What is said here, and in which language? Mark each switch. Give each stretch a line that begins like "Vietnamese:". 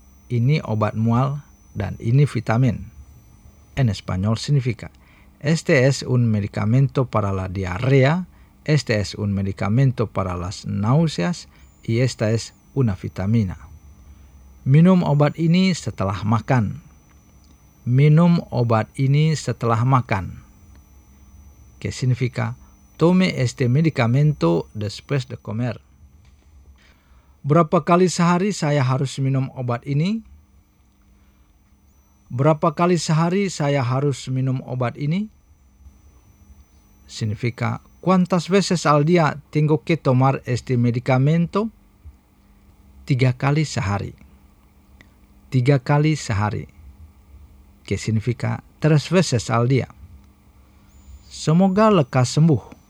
Indonesian: Ini obat mual dan ini vitamin.
Spanish: En español significa este es un medicamento para la diarrea, este es un medicamento para las náuseas y esta es una vitamina.
Indonesian: Minum obat ini setelah makan. Minum obat ini setelah makan.
Spanish: Que significa tome este medicamento después de comer.
Indonesian: Berapa kali sehari saya harus minum obat ini? Berapa kali sehari saya harus minum obat ini?
Spanish: Significa, ¿cuántas veces al día tengo que tomar este medicamento?
Indonesian: 3 kali sehari. 3 kali sehari.
Spanish: Que significa 3 veces al día.
Indonesian: Semoga lekas sembuh.